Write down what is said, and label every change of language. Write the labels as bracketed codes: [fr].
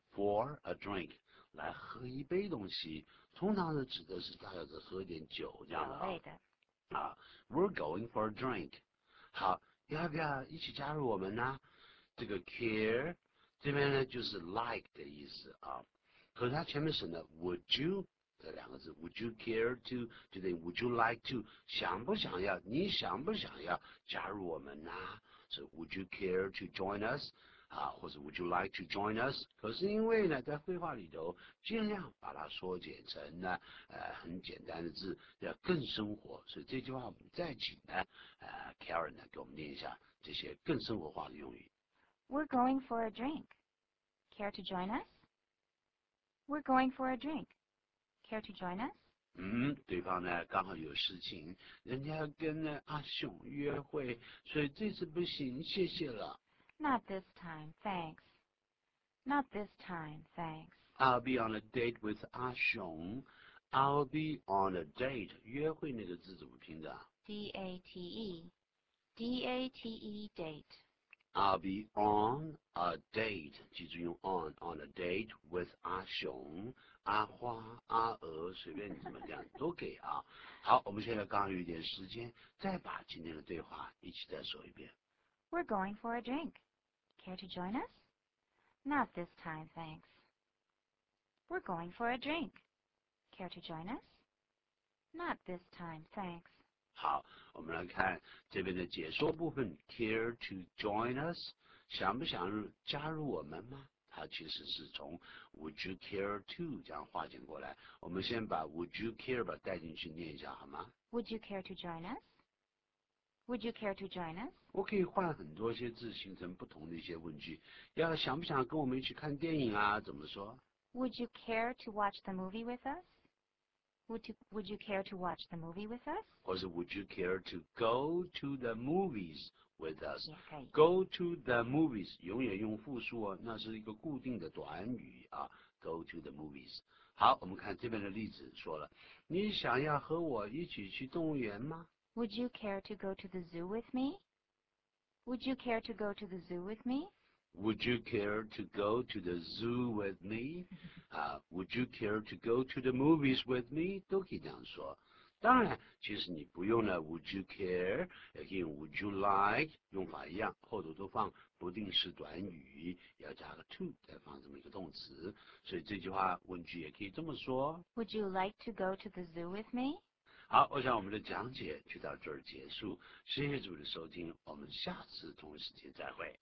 [en] For a drink， [zh] 来喝一杯东西，通常是指的是大概是喝点酒这样的啊。 [en] 啊 ，We're going for a drink。 [zh] 好，要不要一起加入我们呢？这个 care 这边呢就是 like 的意思啊。可是它前面省了 would you 这两个字 ， [en] Would you care to [zh] 就等于 [en] Would you like to [zh] 想不想要？你想不想要加入我们呢？ [en] 是 Would you care to join us？ 啊，或者 Would you like to join us？ [zh] 可是因为呢，在绘画里头，尽量把它缩减成呢，很简单的字，要更生活。所以这句话我们再请呢，Karen 呢，给我们念一下这些更生活化的用语。 [en] We're going for a drink. Care to join us? We're going for a drink. Care to join us? [zh] 对方呢刚好有事情，人家跟呢阿雄约会，所以这次不行，谢谢了。 [en] Not this time, thanks. Not this time, thanks. I'll be on a date with 阿雄. I'll be on a date. [zh] 约会那个字怎么拼的 [en] ？D-A-T-E. D-A-T-E, date. I'll be on a date. [zh] 记住用 [en] on a date with [zh] 阿雄、阿花、阿娥，随便你怎么讲都给啊。好，我们现在刚好有点时间，再把今天的对话一起再说一遍。 [en] We're going for a drink. Care to join us? Not this time, thanks. We're going for a drink. Care to join us? Not this time, thanks. [zh] 好，我们来看这边的解说部分。 [en] Care to join us? [zh] 想不想加入我们吗？它其实是从 [en] Would you care to [zh] 这样化简过来。我们先把 [en] Would you care [zh] 把带进去念一下好吗 [en] ？Would you care to join us? Would you care to join us? [zh] 我可以换很多些字，形成不同的一些问句。要想不想跟我们一起看电影啊？怎么说 [en] ？Would you care to watch the movie with us? Would you care to watch the movie with us? 或是 Would you care to go to the movies with us? [zh] 也可以。 [en] Go to the movies [zh] 永远用复数哦，那是一个固定的短语啊。 [en] Go to the movies。 [zh] 好，我们看这边的例子说了，你想要和我一起去动物园吗？ [en] Would you care to go to the zoo with me? Would you care to go to the zoo with me? Would you care to go to the zoo with me? Would you care to go to the movies with me? [zh] 都可以这样说。当然，其实你不用了。 [en] Would you care? [zh] 也可以用 [en] Would you like? [zh] 用法一样，后头都放不定式短语，要加个 to， 再放这么一个动词。所以这句话问句也可以这么说。 [en] Would you like to go to the zoo with me? [zh] 好，我想我们的讲解就到这儿结束。谢谢主的收听，我们下次同一时间再会。